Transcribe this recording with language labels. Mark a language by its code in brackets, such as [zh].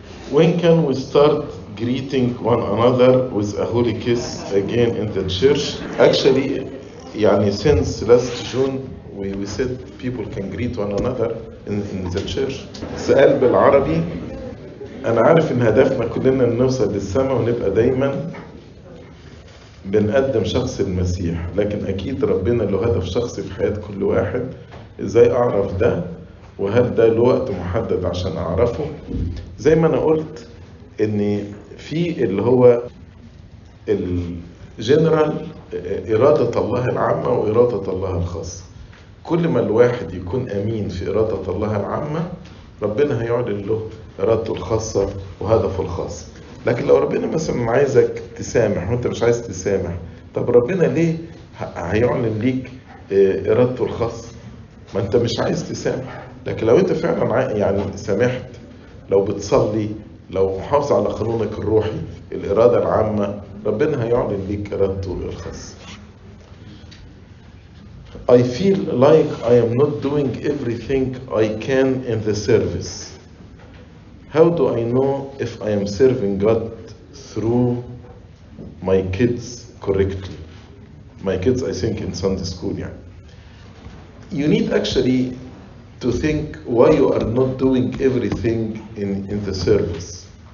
[en] When can we start greeting one another with a holy kiss again in the church? Actually, yani since last June, we said people can greet one another in the church. [ar] سأل بالعربي. أنا عارف إن هدفنا كلنا نوصل للسماء ونبقى دايما بنقدم شخص المسيح. لكن أكيد ربنا له هدف شخصي في حياة كل واحد. إزاي أعرف ده؟ وهل ده الوقت محدد عشان أعرفه؟ زي ما أنا قلت إن في اللي هو الجنرال إرادة الله العامة وإرادة الله الخاصة. كل ما الواحد يكون أمين في إرادة الله العامة، ربنا هيعلن له إرادته الخاصة وهدفه الخاص. لكن لو ربنا مثلا عايزك تسامح وانت مش عايز تسامح، طب ربنا ليه هيعلن ليك إرادته الخاصة؟ ما انت مش عايز تسامح. لكن لو انت فعلا يعني سامحت، لو بتصلي، لو محافظ على قانونك الروحي، الإرادة العامة، ربنا هيعلن ليك إرادته الخاصة. [en] I feel like I am not doing everything I can in the service. How do I know if I am serving God through my kids correctly? My kids, I think, in Sunday school, yeah. You need actually to think why you are not doing everything in the service.